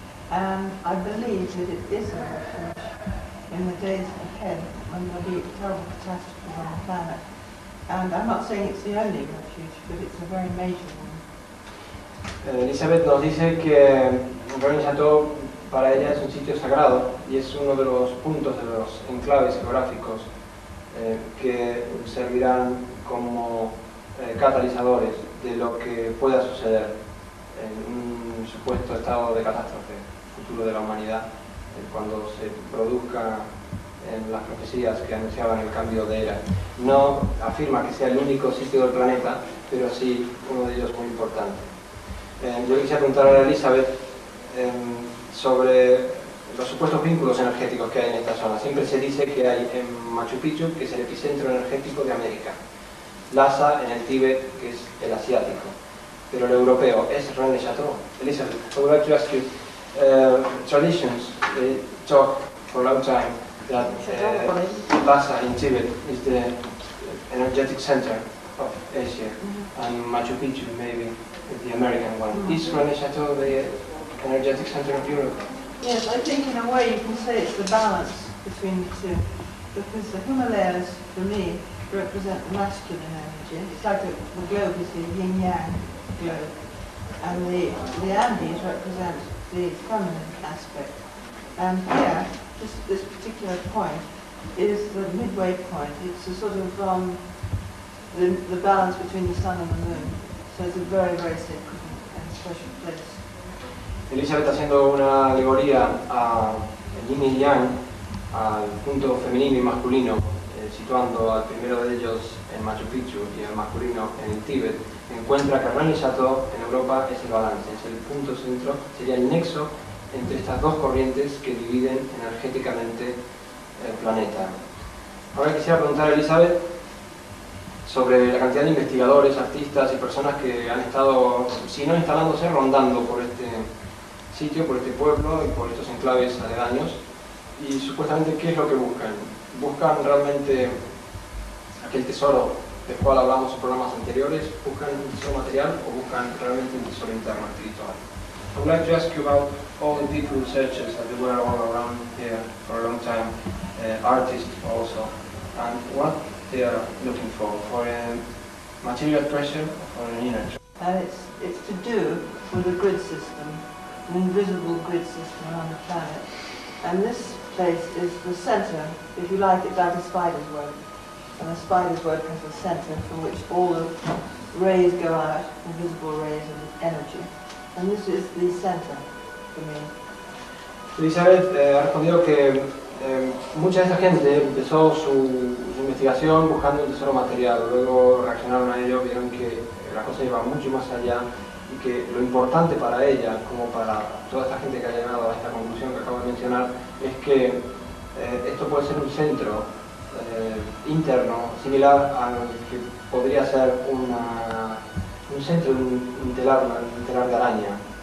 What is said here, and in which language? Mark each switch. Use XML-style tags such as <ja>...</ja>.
<en>And I believe that it is a refuge in the days ahead when there will be a terrible catastrophe on the planet. And I'm not saying it's the only refuge, but it's a very major one.</en> <es>Elizabeth nos dice que Rennes-le-Château para ella es un sitio sagrado y es uno de los puntos de los enclaves geográficos que servirán como catalizadores de lo que pueda suceder en un supuesto estado de catástrofe futuro de la humanidad, cuando se produzca en las profecías que anunciaban el cambio de era. No afirma que sea el único sitio del planeta, pero sí uno de ellos muy importante. Yo quisiera preguntar a Elizabeth sobre los supuestos vínculos energéticos que hay en esta zona. Siempre se dice que hay en Machu Picchu, que es el epicentro energético de América, Lhasa en el Tíbet, que es el asiático, pero el europeo es Rennes-le-Château.</es> <en>Elizabeth, I would like to ask you, traditions talk for a long time that Lhasa in Tibet is the energetic center of Asia, and Machu Picchu maybe the American one. Is Rennes-le-Château the energetic center of Europe? Yes, I think in a way you can say it's the balance between the two. because the Himalayas, for me, represent masculine energy. It's like the globe is the yin-yang globe, and the Andes represent the feminine aspect. And here, just this particular point, is the midway point. It's a sort of the balance between the sun and the moon. So it's a very, very sacred and special place.</en> <es>Elizabeth haciendo una alegoría a yin y yang, al punto femenino y masculino, situando al primero de ellos en Machu Picchu y al masculino en el Tíbet, encuentra que Rennes-le-Château en Europa es el balance, es el punto centro, sería el nexo entre estas dos corrientes que dividen energéticamente el planeta. Ahora quisiera preguntar a Elizabeth sobre la cantidad de investigadores, artistas y personas que han estado, si no instalándose, rondando por este sitio, por este pueblo y por estos enclaves aledaños. Y supuestamente, ¿qué es lo que buscan? ¿Buscan realmente aquel tesoro del cual hablamos en programas anteriores? ¿Buscan un tesoro material o buscan realmente un tesoro interno, espiritual?</es> <en>I would like to ask you about all the deep researchers that they were all around here for a long time, artists also, and what they are looking for a material treasure or an inner treasure? It's to do with the grid system, an invisible grid system on the planet. And this place is the center, if you like, it's like a spider's web. And a spider's web has a center from which all the rays go out, invisible rays and energy. And this is the center for me.</en> <es>Elizabeth ha respondido que mucha de esa gente empezó su investigación buscando el tesoro material. Luego reaccionaron a ello, vieron que la cosa iba mucho más allá. Y que lo importante para ella, como para toda esta gente que ha llegado a esta conclusión que acabo de mencionar, es que esto puede ser un centro interno, similar al que podría ser un centro de un telar de araña.</es>